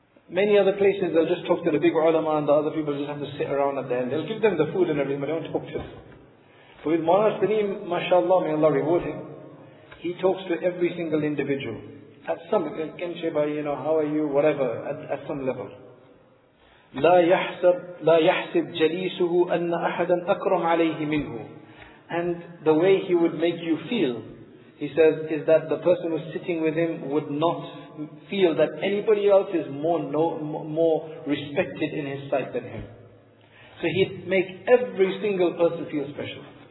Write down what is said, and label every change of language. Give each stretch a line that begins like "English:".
English: Many other places they'll just talk to the big ulama and the other people just have to sit around at the end. They'll give them the food and everything, but they won't talk to them. But with Mawlana Salim, mashallah, may Allah reward him, he talks to every single individual. At some level, can say by, you know, how are you, whatever, at some level.
Arabic: لا يحسب جليسه أن أحدا أكرم عليه منه.
English: And the way he would make you feel, he says, is that the person who's sitting with him would not feel that anybody else is more respected in his sight than him. So he'd make every single person feel special.